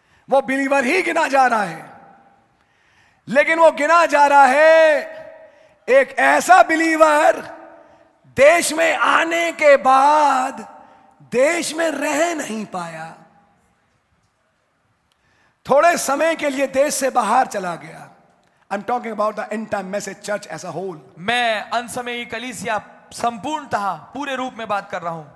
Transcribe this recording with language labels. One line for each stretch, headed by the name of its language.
Hindi: वो बिलीवर ही गिना जा रहा है. लेकिन वो गिना जा रहा है एक ऐसा बिलीवर देश में आने के बाद देश में रह नहीं पाया. थोड़े समय के लिए देश से बाहर चला गया.
English: I'm talking about the end time message church as a whole.
Hindi: मैं अंत समय की कलीसिया संपूर्णतः पूरे रूप में बात कर रहा हूं.